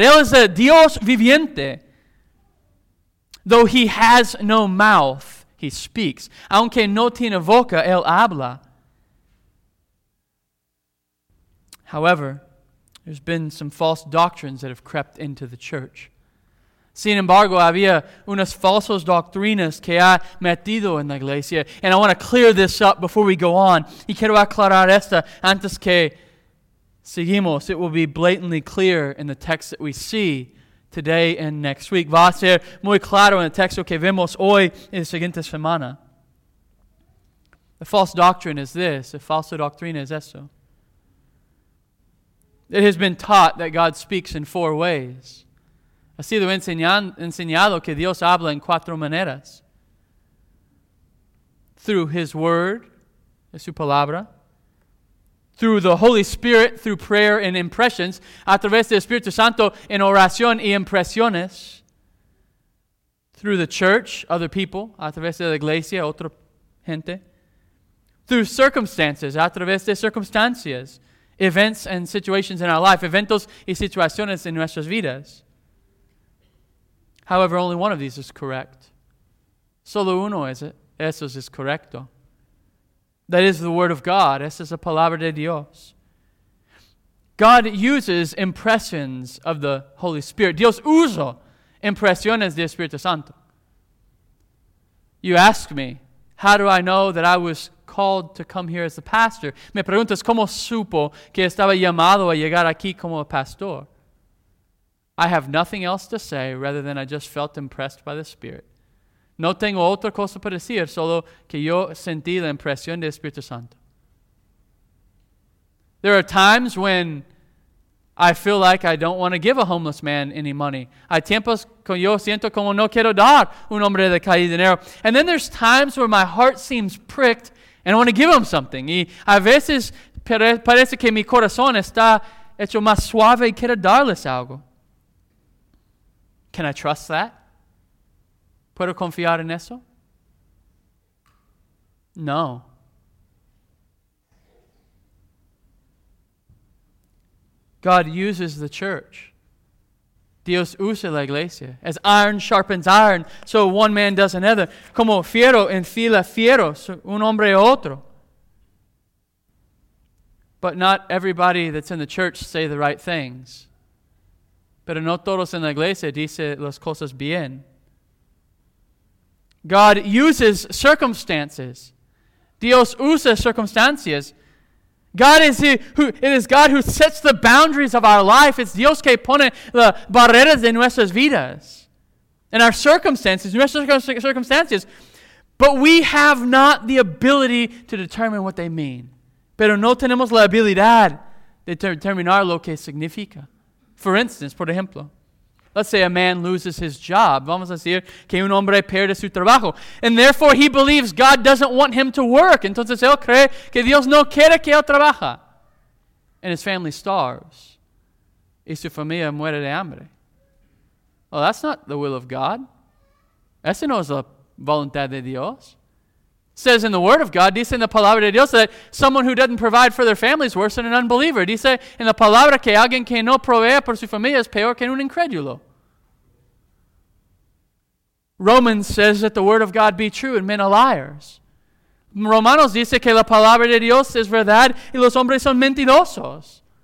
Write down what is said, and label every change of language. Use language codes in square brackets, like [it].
[es] Él es el Dios viviente. [en] Though he has no mouth, he speaks. [es] Aunque no tiene boca, él habla. [en] However, there's been some false doctrines that have crept into the church. [es] Sin embargo, había unas falsas doctrinas que ha metido en la iglesia. [en] And I want to clear this up before we go on. [es] Y quiero aclarar esta antes que seguimos. [en] It will be blatantly clear in the text that we see today and next week. [es] Va a ser muy claro en el texto que vemos hoy y la siguiente semana. [en] The false doctrine is this. The [es] falsa doctrina es esto. [en] It has been taught that God speaks in four ways. [es] Ha sido enseñado que Dios habla en cuatro maneras. [en] Through His Word, [es] su palabra. [en] Through the Holy Spirit, through prayer and impressions. [es] A través del Espíritu Santo, en oración y impresiones. [en] Through the church, other people. [es] A través de la iglesia, otra gente. [en] Through circumstances, [es] a través de circunstancias. [en] Events and situations in our life. [es] Eventos y situaciones en nuestras vidas. [en] However, only one of these is correct. [es] Solo uno es, esos es correcto. [en] That is the word of God. [es] Esa es la palabra de Dios. [en] God uses impressions of the Holy Spirit. [es] Dios usa impresiones del Espíritu Santo. [en] You ask me, how do I know that I was called to come here as a pastor? [es] Me preguntas, ¿cómo supo que estaba llamado a llegar aquí como pastor? [en] I have nothing else to say rather than I just felt impressed by the Spirit. [es] No tengo otra cosa para decir, solo que yo sentí la impresión del Espíritu Santo. [en] There are times when I feel like I don't want to give a homeless man any money. [es] Hay tiempos que yo siento como no quiero dar un hombre de calle dinero. [en] And then there's times where my heart seems pricked and I want to give him something. [es] Y a veces parece que mi corazón está hecho más suave y quiero darles algo. [en] Can I trust that? [es] ¿Puedo confiar en eso? [en] No. God uses the church. [es] Dios usa la iglesia. [en] As iron sharpens iron, so one man does another. [es] Como fierro enfila fierro, un hombre a otro. [en] But not everybody that's in the church say the right things. [es] Pero no todos en la iglesia dicen las cosas bien. [en] God uses circumstances. [es] Dios usa circunstancias. [en] God is God who sets the boundaries of our life. [es] It's Dios que pone las barreras de nuestras vidas. [en] And our circumstances, [es] nuestras circunstancias. [en] But we have not the ability to determine what they mean. [es] Pero no tenemos la habilidad de determinar lo que significa. [en] For instance, [es] por ejemplo, [en] let's say a man loses his job. [es] Vamos a decir que un hombre pierde su trabajo. [en] And therefore he believes God doesn't want him to work. [es] Entonces él cree que Dios no quiere que él trabaje. [en] And his family starves. [es] Y su familia muere de hambre. [en] Well, that's not the will of God. [es] Ese no es la voluntad de Dios. [en] Says in the Word of God, [es] dice en la Palabra de Dios, [en] that someone who doesn't provide for their family is worse than an unbeliever. [es] Dice en la Palabra que alguien que no provee por su familia es peor que un incrédulo. [en] Romans says that the Word of God be true and men are liars. [es] Romanos dice que la Palabra de Dios es verdad y los hombres son mentirosos.